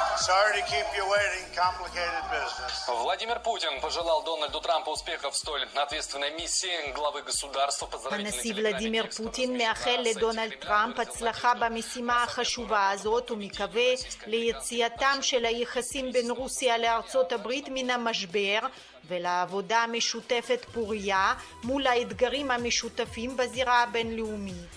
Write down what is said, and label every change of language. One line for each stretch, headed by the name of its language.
English: Sorry to keep you waiting, complicated business.
Russian: Владимир Путин пожелал Дональду Трампу успехов в столь ответственной миссии главы государства.
Hebrew: הנשיא ולדימיר פוטין מאחל לדונלד טראמפ הצלחה במשימה החשובה הזאת ומקווה ליציאתם של היחסים בין רוסיה לארצות הברית מן המשבר ולעבודה משותפת פוריה מול האתגרים המשותפים בזירה הבינלאומי.